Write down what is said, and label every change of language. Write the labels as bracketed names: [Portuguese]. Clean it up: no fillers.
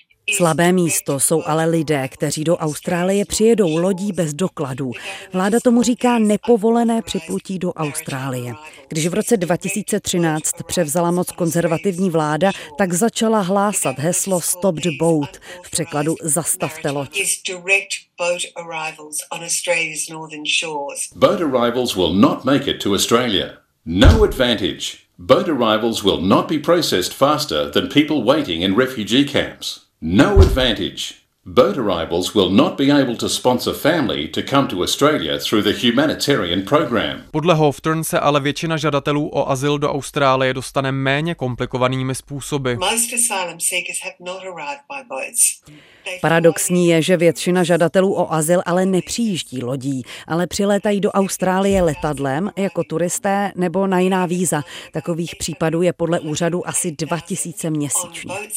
[Czech] Slabé místo jsou ale lidé, kteří do Austrálie přijedou lodí bez dokladů. Vláda tomu říká nepovolené připlutí do Austrálie. Když v roce 2013 převzala moc konzervativní vláda, tak začala hlásat heslo [English] Stop the Boat, [Czech] v překladu Zastavte loď. [English] Boat arrivals on Australia's northern shores. Boat arrivals will not make it to Australia. No advantage. Boat arrivals will not be processed faster than people waiting in refugee camps. No advantage. Boat arrivals will not be able to sponsor family to come to Australia through the humanitarian program. [Czech] Podle Hofturn se ale většina žadatelů o azyl do Austrálie dostane méně komplikovanými způsoby. [English] Most asylum seekers have not arrived by boats. [Czech] Paradoxní je, že většina žadatelů o azyl ale nepřijíždí lodí, ale přilétají do Austrálie letadlem, jako turisté nebo na jiná víza. Takových případů je podle úřadu asi 2000 měsíčně.